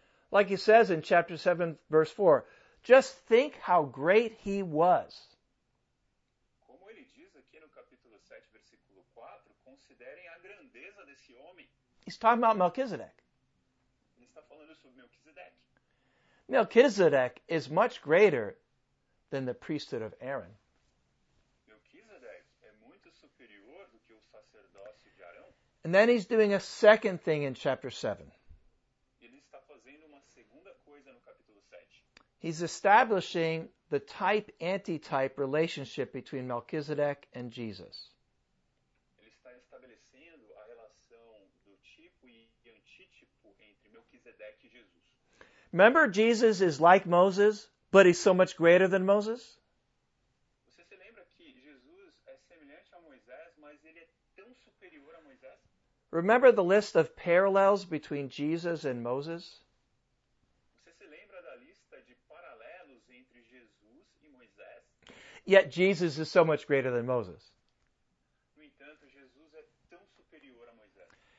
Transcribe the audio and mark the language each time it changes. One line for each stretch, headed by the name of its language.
English: Like he says in chapter 7, verse 4, just think how great he was.
Portuguese: Como ele diz aqui no capítulo 7, versículo 4, considerem a grandeza desse homem.
English: He's talking about Melquisedeque.
Portuguese: Ele está falando sobre Melquisedeque.
English: Melquisedeque is much greater than the priesthood of Aaron.
Portuguese: Melquisedeque é muito superior do que o sacerdócio de Arão.
English: And then he's doing a second thing in chapter 7.
Portuguese: Ele está fazendo uma segunda coisa no capítulo 7.
English: He's establishing the type-antitype relationship between Melquisedeque and Jesus.
Portuguese: Ele está estabelecendo a relação do tipo e antítipo entre Melquisedeque e Jesus.
English: Remember, Jesus is like Moses, but he's so much greater than Moses?
Portuguese: Você se lembra que Jesus é semelhante a Moisés, mas ele é tão superior a Moisés?
English: Remember the list of parallels between Jesus and Moses?
Portuguese: Você se lembra da lista de paralelos entre Jesus e Moisés?
English: Yet Jesus is so much greater than Moses.
Portuguese: No entanto, Jesus é tão superior a Moisés.